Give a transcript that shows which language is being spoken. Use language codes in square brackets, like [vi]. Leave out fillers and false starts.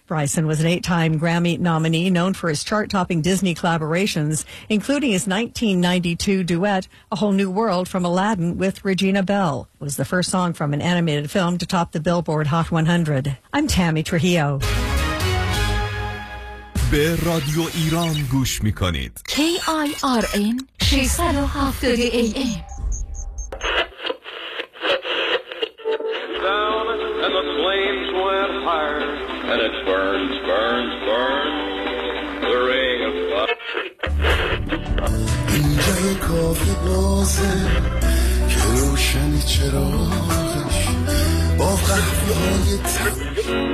[en] Bryson was an 8-time Grammy nominee known for his chart-topping Disney collaborations, including his 1992 duet, A Whole New World from Aladdin with Regina Bell. It was the first song from an animated film to top the Billboard Hot 100. I'm Tammy Trujillo. [fa] به رادیو ایران گوش می کنید. [en] KIRN 670 AM. Down and the flames went higher and it burns, burns, burns. The ring of fire. [fa] اینجا یه کافه بازه که روشنی چراغش با قهوه‌های تلخ.